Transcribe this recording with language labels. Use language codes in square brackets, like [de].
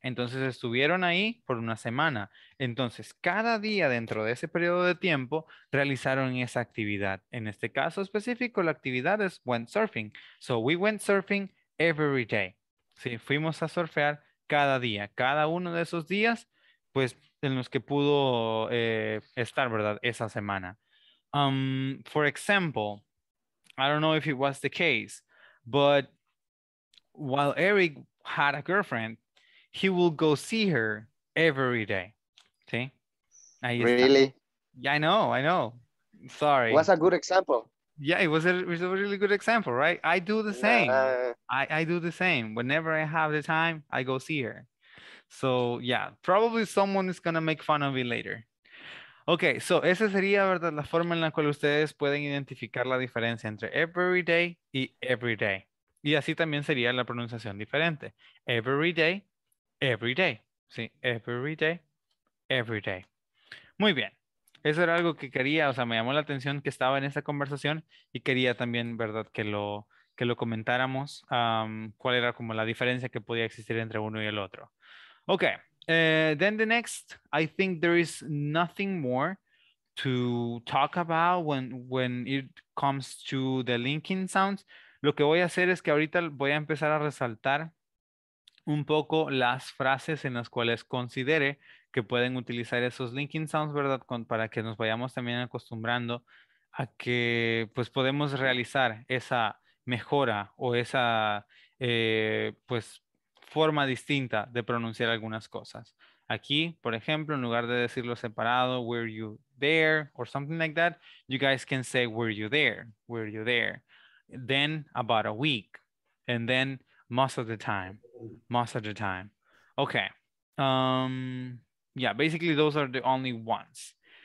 [es] Entonces, estuvieron ahí por una semana. Entonces, cada día dentro de ese periodo de tiempo, realizaron esa actividad. En este caso específico, la actividad es [en] went surfing. So, we went surfing every day. [es] Sí, fuimos a surfear cada día. Cada uno de esos días, pues, en los que pudo estar, ¿verdad? Esa semana. [en] For example, I don't know if it was the case, but while Eric had a girlfriend, he will go see her every day. [es] ¿Sí? Ahí está. Really? [en] Yeah, I know. Sorry. Was a good example. Yeah, it was a really good example, right? I do the same. I do the same. Whenever I have the time, I go see her. So, yeah, probably someone is going to make fun of me later. [es] Okay, so esa sería, ¿verdad?, la forma en la cual ustedes pueden identificar la diferencia entre every day y every day. Y así también sería la pronunciación diferente. Every day, every day. Sí, every day, every day. Muy bien. Eso era algo que quería, o sea, me llamó la atención que estaba en esa conversación y quería también, ¿verdad?, que lo comentáramos cuál era como la diferencia que podía existir entre uno y el otro. [en] Okay. Then the next, I think there is nothing more to talk about when it comes to the linking sounds. [es] Lo que voy a hacer es que ahorita voy a empezar a resaltar un poco las frases en las cuales considere que pueden utilizar esos linking sounds, ¿verdad? Para que nos vayamos también acostumbrando a que pues podemos realizar esa mejora o esa pues forma distinta de pronunciar algunas cosas. Aquí, por ejemplo, en lugar de decirlo separado, [en] were you there or something like that, you guys can say were you there, were you there. Then about a week, and then most of the time, most of the time. Okay. Yeah, basically those are the only ones.